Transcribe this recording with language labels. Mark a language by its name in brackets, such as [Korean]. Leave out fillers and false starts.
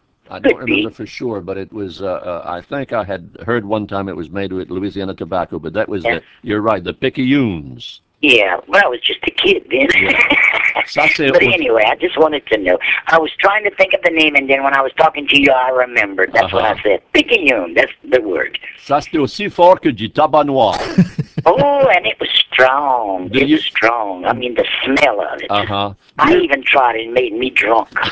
[English] I don't remember for sure, but it was, I think I had heard one time it was made with Louisiana tobacco, but that was you're right, the Picayunes. Yeah, well, I was just a kid then. Yeah. But anyway, I just wanted to know. I was trying to think of the name, and then when I was talking to you, I remembered. That's what I said. Picayune, that's the word. [French] Ça, c'était aussi fort que du tabac noir. [English] Oh, and it was strong. Was strong. I mean, the smell of it. Uh-huh. I even tried it and made me drunk.